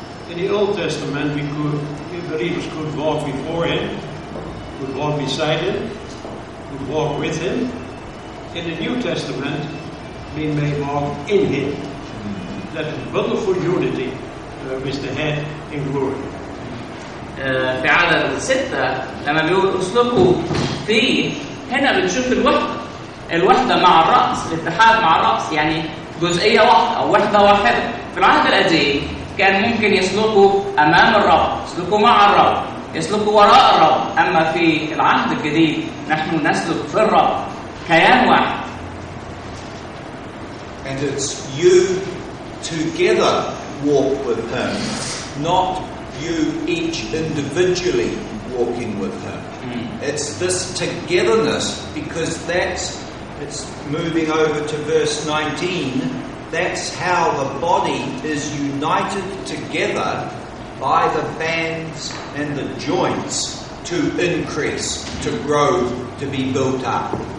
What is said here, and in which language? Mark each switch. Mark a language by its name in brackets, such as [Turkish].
[English] In the Old Testament, believers could walk before him, could walk beside him, could walk with him. In the New Testament, we may walk in him. That wonderful unity with the head in glory. [Arabic] في عدد 6 لما بيقول أسلوبه فيه هنا بنشوف الوحدة مع الرأس الاتحاد مع الرأس يعني جزئية واحدة أو وحدة واحدة في العهد القديم كان ممكن يسلكوا أمام الرب يسلكوا مع الرب يسلكوا وراء الرب أما في العهد الجديد نحن نسلك في الرب كيان واحد [English] and it's you together walk with him not you each individually walking with him. It's this togetherness because that's it's moving over to verse 19, that's how the body is united together by the bands and the joints to increase, to grow, to be built up.